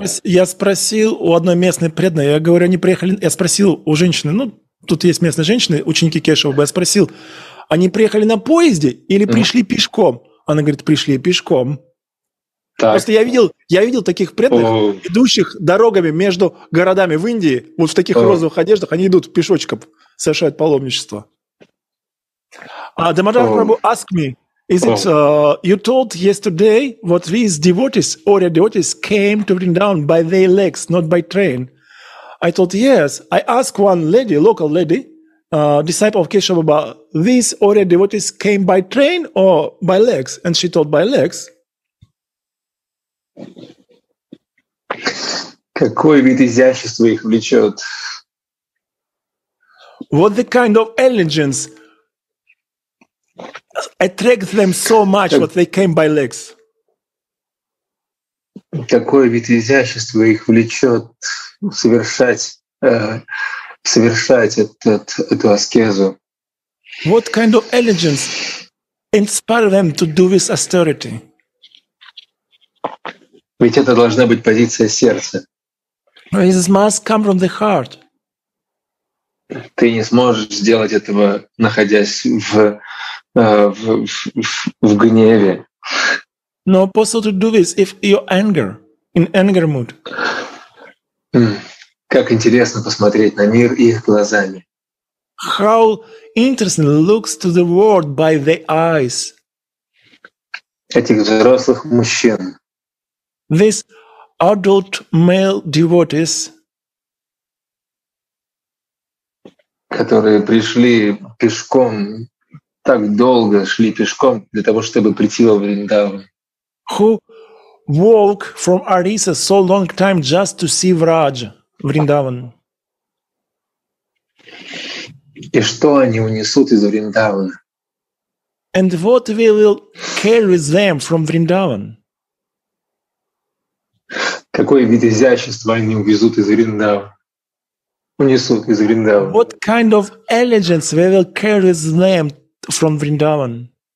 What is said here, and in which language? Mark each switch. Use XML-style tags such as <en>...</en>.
<ru>Я спросил у одной местной преданной, я говорю, они приехали, я спросил у женщины, ну, тут есть местные женщины, ученики Кешева, я спросил, они приехали на поезде или пришли пешком? Она говорит, пришли пешком. Так. Просто я видел таких преданных, идущих дорогами между городами в Индии, вот в таких розовых одеждах, они идут пешочком, совершают паломничество.</ru> <en>Дамодар Прабху, ask me. Is it you told yesterday what these devotees, Aurya devotees, came to Vrindavan by their legs, not by train? I told yes. I asked one lady, local lady, disciple of Keshava Baba, these Aurya devotees came by train or by legs? And she told by legs.</en> <ru>Какой вид изящества их влечет?</ru> <en>What the kind of elegance attracts them so much that they came by legs.</en> <ru>Какое вид изящества их влечет совершать эту аскезу?</ru> <en>What kind of elegance inspires them to do this austerity?</en> <ru>Ведь это должна быть позиция сердца.</ru> <en>This must come from the heart.</en> <ru>Ты не сможешь сделать этого, находясь в гневе.</ru> <en>No possible to do this if you're anger, in anger mood.</en> <ru>Как интересно посмотреть на мир их глазами.</ru> <en>How interesting looks to the world by the eyes.</en> <ru>Этих взрослых мужчин.</ru> <en>These adult male devotees.</en> <ru>Которые пришли пешком, так долго шли пешком для того, чтобы прийти во Вриндаван.</ru> <en>Who walk from Orissa so long time just to see Vraj, Vrindavan.</en> <ru>И что они унесут из Вриндавана?</ru> <en>And what we will carry with them from Vrindavan?</en> <ru>Какой вид изящества они увезут из Вриндавана? Унесут из Вриндавана.</ru> <en>What kind of elegance we will carry with them from Vrindavan?</en>